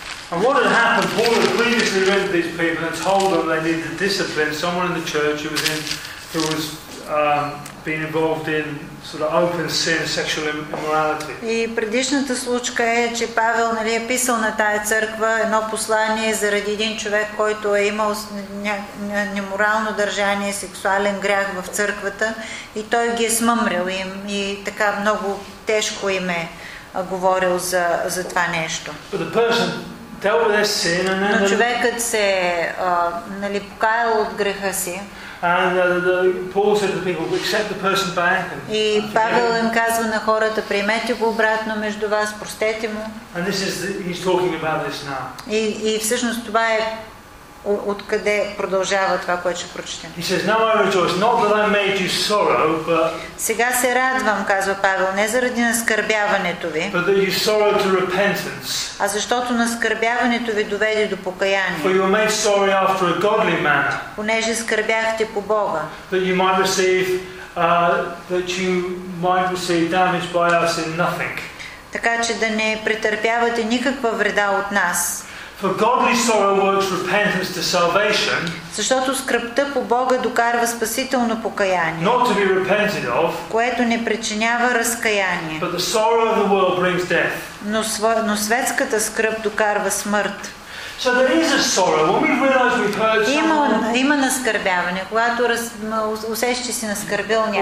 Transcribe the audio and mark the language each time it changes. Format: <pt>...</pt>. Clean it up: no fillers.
<en>And what had happened, Paul had previously written to these people and told them they needed discipline. Someone in the church who was being involved in sort of open sin, sexual immorality.</en> <bg>И предишната случка е, че Павел, нали, е писал на тая църква едно послание заради един човек, който е имал неморално държание, сексуален грях в църквата, и той ги е смъмрил им и така много тежко им е говорил за това нещо.</bg> <en>But the person dealt with their sin and then</en> <bg>Но човекът се нали, покаял от греха си.</bg> <en>And the Paul said to people, accept the person back.</en> <bg>И Павел им казва на хората, приемете го обратно между вас, простете му.</bg> <en>And this is he's talking about this now.</en> <bg>И всъщност това е откъде продължава това, което ще прочетем.</bg> <en>He says, now I rejoice, not that I made you sorrow, but.</en> <bg>Сега се радвам, казва Павел, не заради наскърбяването ви.</bg> <en>But that you sorrow to repentance.</en> <bg>А защото наскърбяването ви доведе до покаяние.</bg> <en>For you were made sorry after a godly manner.</en> <bg>Понеже скърбяхте по Бога.</bg> <en>That you might receive, damage by us in nothing.</en> <bg>Така че да не претърпявате никаква вреда от нас.</bg> <en>For godly sorrow works repentance to salvation.</en> <bg>Защото скръпта по Бога докарва спасително покаяние.</bg> <en>Not to be repented of.</en> <bg>Което не причинява разкаяние.</bg> <en>But the sorrow of the world brings death.</en> <bg>Но светската скръп докарва смърт.</bg> <en>So there is a sorrow when we realize we've hurt someone.</en> <bg>Има наскърбяване, когато усещаш, че си наскърбил някой.</bg>